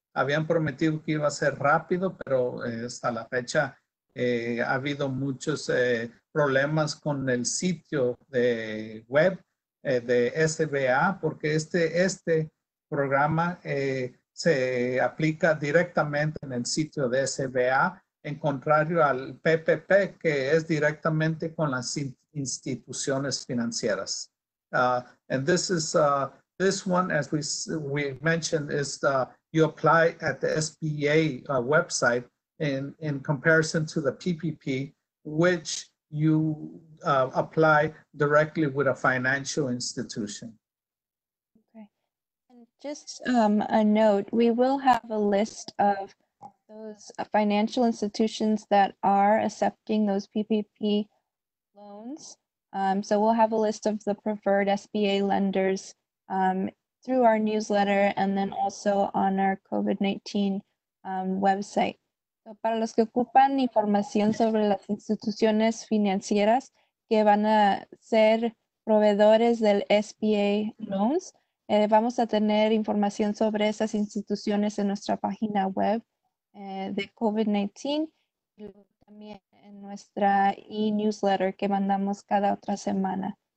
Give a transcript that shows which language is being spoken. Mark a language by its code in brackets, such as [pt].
[es] Habían prometido que iba a ser rápido, pero hasta la fecha ha habido muchos problemas con el sitio de web de SBA, porque este programa se aplica directamente en el sitio de SBA, en contrario al PPP, que es directamente con las instituciones financieras. [en] And this is this one, as we mentioned, is you apply at the SBA website in comparison to the PPP, which you apply directly with a financial institution. Okay. And just a note, we will have a list of those financial institutions that are accepting those PPP loans. So we'll have a list of the preferred SBA lenders through our newsletter and then also on our COVID-19 website. [es] So para los que ocupan información sobre las instituciones financieras que van a ser proveedores del [en] SBA loans, [es] vamos a tener información sobre esas instituciones en nuestra página web de COVID-19 y también en nuestra e-newsletter que mandamos cada otra semana.